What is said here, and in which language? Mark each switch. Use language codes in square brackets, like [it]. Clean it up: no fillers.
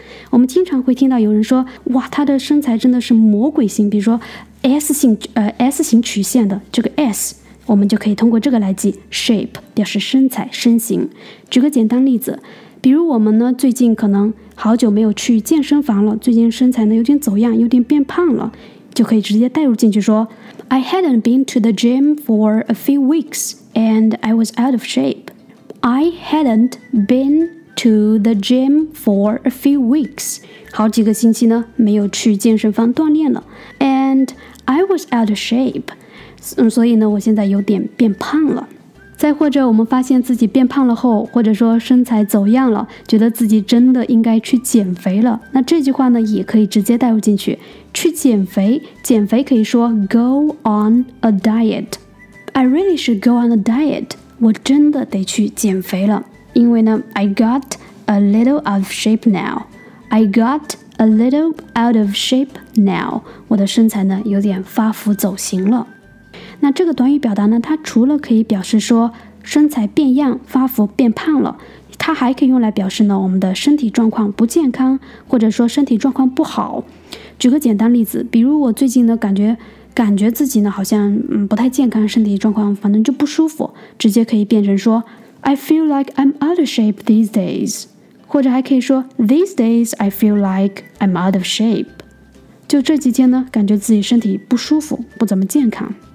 [zh] 我们经常会听到有人说，哇，他的身材真的是魔鬼型，比如说 S 型曲线的这个 S， 我们就可以通过这个来记 shape， 表示身材身形。举个简单例子，比如我们呢最近可能好久没有去健身房了，最近身材呢有点走样，有点变胖了，就可以直接带入进去说， [en] I hadn't been to the gym for a few weeks and I was out of shape. I hadn't been to the gym for a few weeks. [zh] 好几个星期呢没有去健身房锻炼了。 [en] And I was out of shape. [zh] 所以呢我现在有点变胖了。再或者我们发现自己变胖了后，或者说身材走样了，觉得自己真的应该去减肥了，那这句话呢也可以直接带入进去。去减肥，减肥可以说 [en] go on a diet. I really should go on a diet. [zh] 我真的得去减肥了，因为呢 [en] I got a little out of shape now. I got a little out of shape now. [zh] 我的身材呢有点发福走形了。那这个短语表达呢，它除了可以表示说身材变样、发福、变胖了，它还可以用来表示呢我们的身体状况不健康，或者说身体状况不好。举个简单例子，比如我最近呢感觉自己呢好像不太健康，身体状况反正就不舒服，直接可以变成说 [en] I feel like I'm out of shape these days， [zh] 或者还可以说 [en] These days I feel like I'm out of shape， [zh] 就这几天呢感觉自己身体不舒服，不怎么健康。